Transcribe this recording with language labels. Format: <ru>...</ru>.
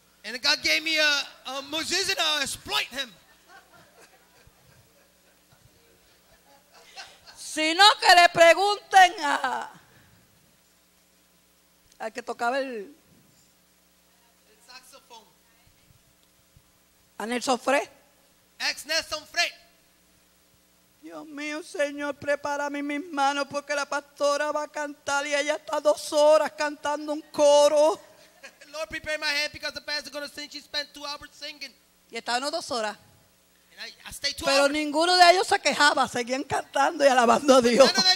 <en>And God gave me a musician, I'll exploit him.</en> <es>Si no, que le pregunten al que tocaba el</es> <en>saxophone.</en> <es>A Nelson Frey. Ex Nelson Frey. Dios mío, Señor, prepárame mis manos porque la pastora va a cantar y ella está 2 horas cantando un coro.</es> <en>Lord, prepare my hand because the pastor is going to sing. She spent 2 hours singing.</en> <es>Y estaban 2 horas. Pero ninguno de ellos se quejaba, seguían cantando y alabando a Dios.</es>